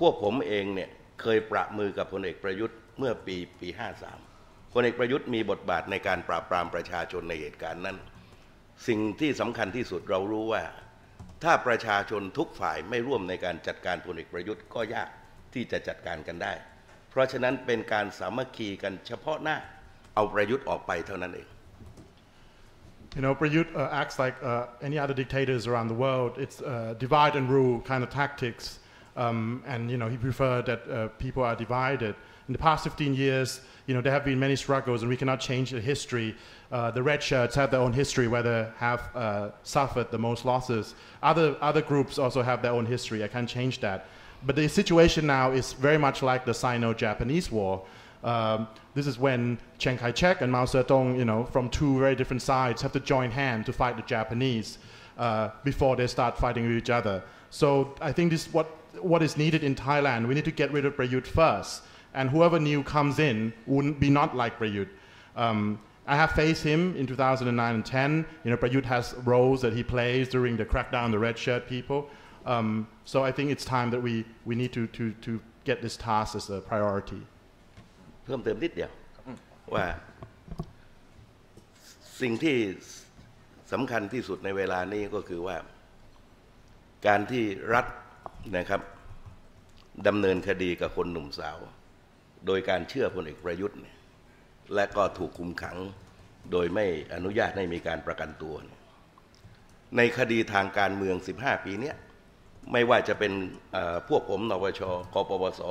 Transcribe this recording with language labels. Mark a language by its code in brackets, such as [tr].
[th] พวกผมเองเนี่ยเคยประมือกับพลเอกประยุทธ์เมื่อปี53พลเอกประยุทธ์มีบทบาทในการปราบปรามประชาชนในเหตุการณ์นั้นสิ่งที่สำคัญที่สุดเรารู้ว่าถ้าประชาชนทุกฝ่ายไม่ร่วมในการจัดการพลเอกประยุทธ์ก็ยากที่จะจัดการกันได้เพราะฉะนั้นเป็นการสามัคคีกันเฉพาะหน้าเอาประยุทธ์ออกไปเท่านั้นเอง [en] You know, Prayuth acts like any other dictators around the world. It's divide and rule kind of tactics. And, you know, he preferred that people are divided. In the past 15 years, you know, there have been many struggles and we cannot change the history. The red shirts have their own history where they have suffered the most losses. Other groups also have their own history. I can't change that. But the situation now is very much like the Sino-Japanese War. This is when Chiang Kai-shek and Mao Zedong, you know, from two very different sides have to join hands to fight the Japanese before they start fighting with each other. So I think this is what is needed in Thailand. We need to get rid of Prayuth first. And whoever new comes in wouldn't be not like Prayuth. I have faced him in 2009 and 10. You know, Prayuth has roles that he plays during the crackdown on the red shirt people. So I think it's time that we need to get this task as a priority. [th] เพิ่มเติมนิดเดียวว่าสิ่งที่สำคัญที่สุดในเวลานี้ก็คือว่าการที่รัฐนะครับดำเนินคดีกับคนหนุ่มสาวโดยการเชื่อพลเอกประยุทธ์และก็ถูกคุมขังโดยไม่อนุญาตให้มีการประกันตัวในคดีทางการเมือง15ปีเนี้ยไม่ว่าจะเป็นพวกผมนปช.กปปส.